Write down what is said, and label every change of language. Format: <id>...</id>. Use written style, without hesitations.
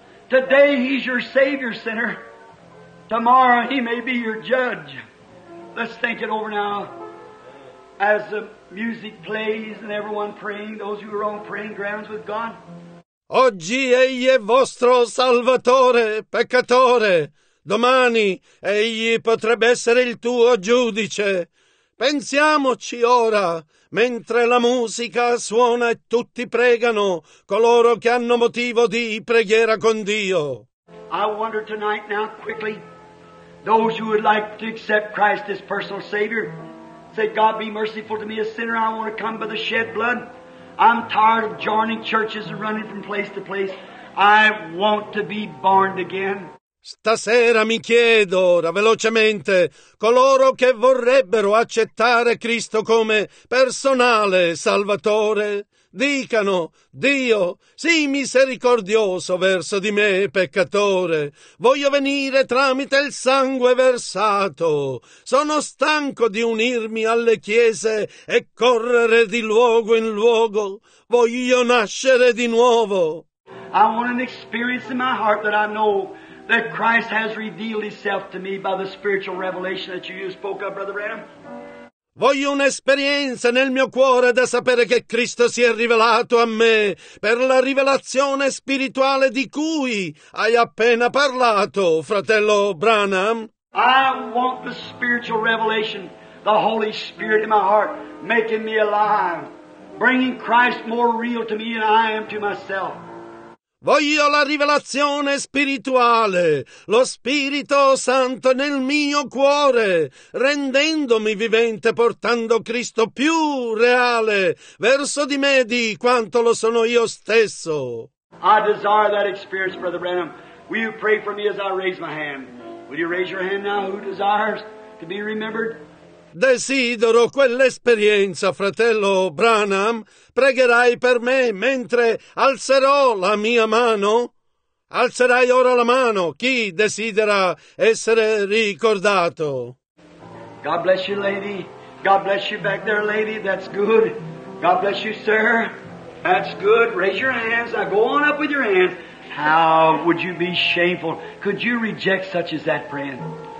<en>Today he's your savior, sinner. Tomorrow he may be your judge. Let's think it over now. As the music plays and everyone praying, those who are on praying grounds with God.</en> <it>Oggi egli è vostro salvatore, peccatore. Domani egli potrebbe essere il tuo giudice. Pensiamoci ora, mentre la musica suona e tutti pregano, coloro che hanno motivo di preghiera con Dio.</it> <en>I wonder tonight now quickly. Those who would like to accept Christ as personal Savior, say, God be merciful to me, a sinner. I want to come by the shed blood. I'm tired of joining churches and running from place to place. I want to be born again.</en> <it>Stasera mi chiedo, ora velocemente, coloro che vorrebbero accettare Cristo come personale Salvatore, dicano, Dio, sii misericordioso verso di me, peccatore. Voglio venire tramite il sangue versato. Sono stanco di unirmi alle chiese e correre di luogo in luogo. Voglio nascere di nuovo.</it> <en>I want an experience in my heart that I know that Christ has revealed himself to me by the spiritual revelation that you spoke of, Brother Branham.</en> <it>Voglio un'esperienza nel mio cuore da sapere che Cristo si è rivelato a me per la rivelazione spirituale di cui hai appena parlato, fratello Branham.</it> <en>I want the spiritual revelation, the Holy Spirit in my heart, making me alive, bringing Christ more real to me than I am to myself.</en> <it>Voglio la rivelazione spirituale, lo Spirito Santo nel mio cuore, rendendomi vivente, portando Cristo più reale verso di me di quanto lo sono io stesso.</it> <en>I desire that experience, Brother Branham. Will you pray for me as I raise my hand? Will you raise your hand now, who desires to be remembered?</en> <it>Desidero quell'esperienza, fratello Branham. Pregherai per me mentre alzerò la mia mano? Alzerai ora la mano. Chi desidera essere ricordato?</it> <en>God bless you, lady. God bless you back there, lady. That's good. God bless you, sir. That's good. Raise your hands. Now go on up with your hands. How would you be shameful? Could you reject such as that, friend?</en>